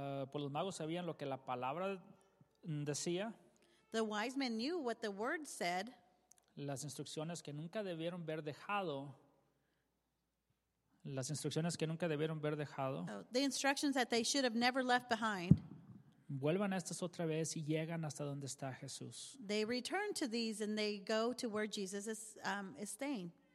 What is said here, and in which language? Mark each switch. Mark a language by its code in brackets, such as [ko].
[es] Pues los magos sabían lo que la palabra decía. [en] The wise men knew what the word said. [es] Las instrucciones que nunca debieron haber dejado. Las instrucciones que nunca debieron haber dejado. [en] Oh, the instructions that they should have never left behind. [es] Vuelvan a estas otra vez y llegan hasta donde está Jesús. [en] They return to these and they go to where Jesus is staying.